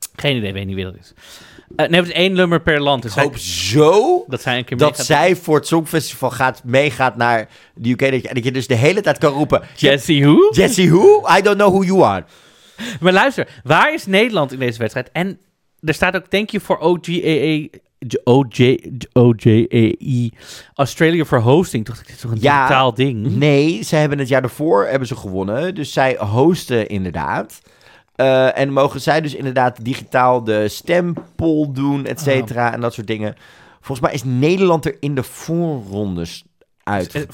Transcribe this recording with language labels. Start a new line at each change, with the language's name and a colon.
Dutch: Geen idee, weet niet wie dat is. Nee, het is één nummer per land. Dus ik hoop zo dat zij, een keer dat zij voor het Songfestival meegaat naar de UK. Dat je dus de hele tijd kan roepen.
English: Jessie who? Jessie who? I don't know who you are.
Dutch: Maar luister, waar is Nederland in deze wedstrijd? En er staat ook
English: thank you for OGAA. OJAE Australia for hosting.
Dutch: Toch, dit is toch een digitaal ding? Nee, ze hebben het jaar ervoor hebben ze gewonnen. Dus zij hosten inderdaad. En mogen zij dus inderdaad digitaal de stempel doen, et cetera. Oh. En dat soort dingen. Volgens mij is Nederland er in de voorrondes uitgeknald.